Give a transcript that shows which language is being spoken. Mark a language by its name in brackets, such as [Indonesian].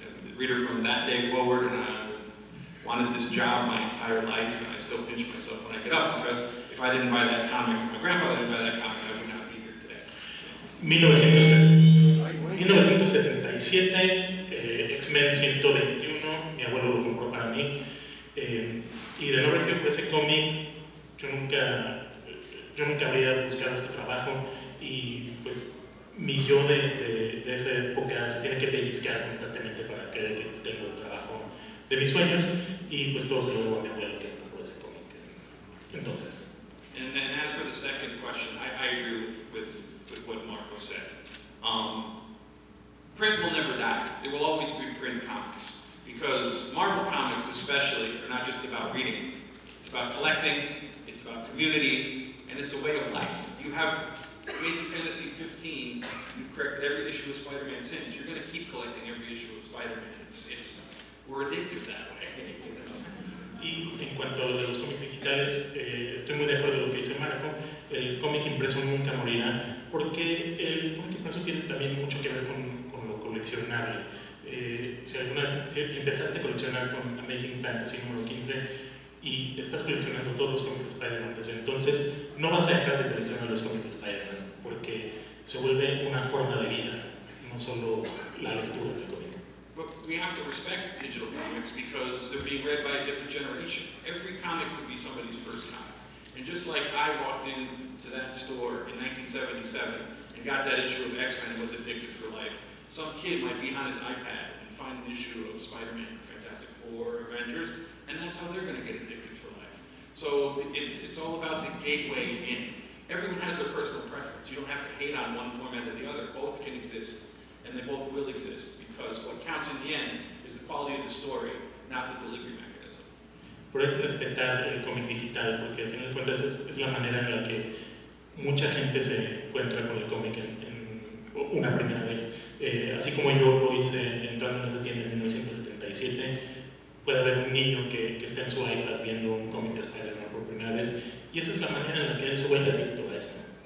[English] The reader from that day forward, and I wanted this job my entire life, and I still pinch myself when I get up, because if I didn't buy that comic, my grandfather didn't buy that comic, I would not be here today. So. [Spanish] 1977, X-Men 121, mi abuelo lo compró para mí. Y de no haber sido por ese cómic, yo nunca habría buscado ese trabajo. Y pues, mi yo de esa época se tiene que pellizcar constantemente para creer que tengo el trabajo de mis sueños. Y pues, todo se lo debo a mi abuelo que compró ese cómic. Entonces. [English] And as for the second question, I agree with what Marco said. Print will never die. There will always be print comics. Because Marvel Comics, especially, are not just about reading. It's about collecting, it's about community, and it's a way of life. You have Amazing Fantasy 15, you've collected every issue of Spider-Man since. You're going to keep collecting every issue of Spider-Man. It's we're addicted that way. [Spanish] Y en cuanto a los cómics digitales, estoy muy de acuerdo con lo que dice Marco. El cómic impreso nunca morirá, porque el cómic impreso tiene también mucho que ver con lo coleccionable. Si empezaste a coleccionar con Amazing Fantasy número 15 y estás coleccionando todos los cómics de Spider-Man, entonces no vas a dejar de coleccionar los cómics de Spider-Man, porque se vuelve una forma de vida, no solo la lectura del cómic. [English] But we have to respect digital comics because they're being read by a different generation. Every comic could be somebody's first comic. And just like I walked into that store in 1977 and got that issue of X-Men and was addicted for life, some kid might be on his iPad and find an issue of Spider-Man, Fantastic Four, Avengers, and that's how they're going to get addicted for life. So it's all about the gateway in. Everyone has their personal preference. You don't have to hate on one format or the other. Both can exist, and they both will exist. Because what counts in the end is the quality of the story, not the delivery mechanism. [Spanish] Por eso respetar el cómic digital, porque al final de cuentas es la manera en la que mucha gente se encuentra con el cómic en una primera vez. Así como yo lo hice entrando en esa tienda en 1977, puede haber un niño que está en su iPad viendo un cómic de Spider-Man por primera vez, y esa es la manera en la que él se vuelve adicto a eso.